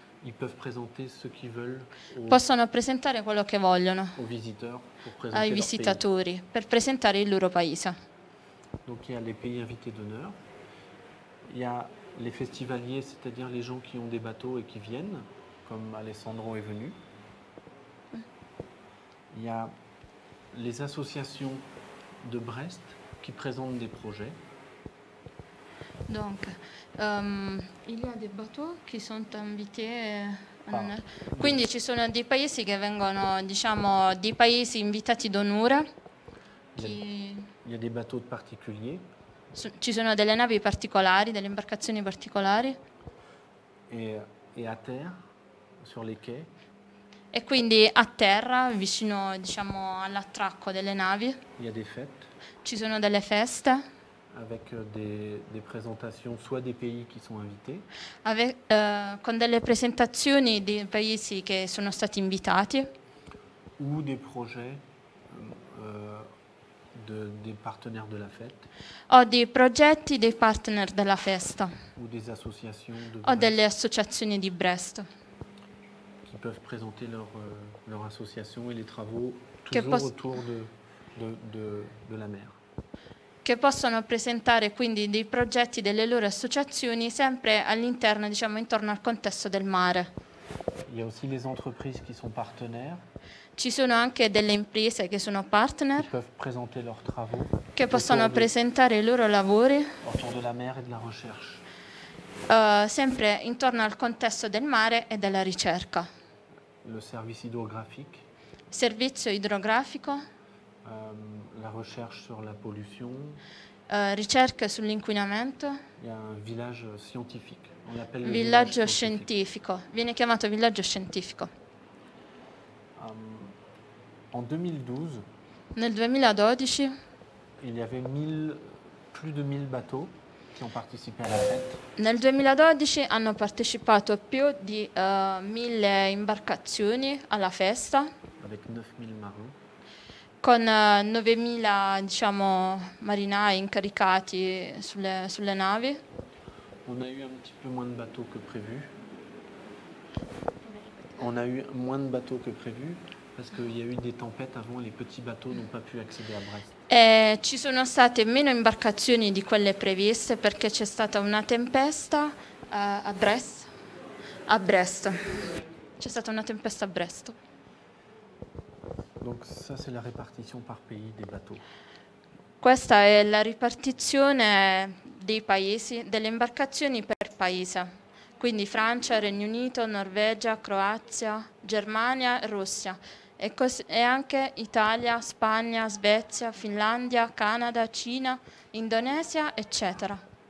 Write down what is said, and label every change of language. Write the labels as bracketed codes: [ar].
[fr] Ils peuvent présenter ce qu'ils veulent. [it] Possono presentare quello che vogliono. [fr] Aux visiteurs. [it] Ai visitatori per presentare il loro paese. [fr] Donc il y a les pays invités d'honneur. Il y a les festivaliers, c'est-à-dire les gens qui ont des bateaux et qui viennent, comme Alessandro est venu. Il y a les associations de Brest qui présentent des projets. Donc, il y a des bateaux qui sont invités. [it] Quindi ci sono dei paesi che vengono, diciamo, dei paesi invitati d'onore. [fr] Il y a des bateaux particuliers. [it] Ci sono delle navi particolari, delle imbarcazioni particolari. E a terra, [fr] sur les quais. [it] E quindi a terra, vicino, diciamo, all'attracco delle navi. [fr] Il y a des fêtes. [it] Ci sono delle feste. [fr] Avec des présentations, soit des pays qui sont invités. [it] Con delle presentazioni dei paesi che sono stati invitati. [fr] Ou des projets. Des partenaires de la fête. [it] O dei progetti dei partner della festa. [fr] Ou des associations de [it] o delle associazioni di Brest. [fr] Qui peuvent présenter leur association et les travaux toujours autour de la mer. [it] Che possono presentare quindi dei progetti delle loro associazioni sempre all'interno, diciamo, intorno al contesto del mare. [fr] Il y a aussi les entreprises qui sont partenaires. [it] Ci sono anche delle imprese che sono partner, [fr] qui peuvent présenter leurs travaux, [it] che possono presentare i loro lavori [fr] autour de la mer et de la recherche. [it] Sempre intorno al contesto del mare e della ricerca. [fr] Le service hydrographique. [it] Servizio idrografico. [fr] La recherche sur la pollution. [it] Ricerca sull'inquinamento. [fr] Il y a un village scientifique. On l'appelle [it] villaggio scientifico. Viene chiamato villaggio scientifico. [fr] En 2012, [it] nel 2012, [fr] il y avait plus de 1000 bateaux qui ont participé à la fête. [it] Nel 2012 hanno partecipato più di 1000 imbarcazioni alla festa. [fr] Avec 9000 marins. [it] Con 9000, diciamo, marinai incaricati sulle navi. [fr] On a eu un petit peu moins de bateaux que prévu. On a eu moins de bateaux que prévu. Parce qu'il y a eu des tempêtes avant, les petits bateaux n'ont pas pu accéder à Brest. [it] Ci sono state meno imbarcazioni di quelle previste perché c'è stata una tempesta a Brest. A Brest. C'è stata una tempesta a Brest. [fr] Donc ça c'est la répartition par pays des bateaux. [it] Questa è la ripartizione dei paesi, delle imbarcazioni per paese. Quindi Francia, Regno Unito, Norvegia, Croazia, Germania, Russia. E anche Italia, Spagna, Svezia, Finlandia, Canada, Cina, Indonesia, eccetera.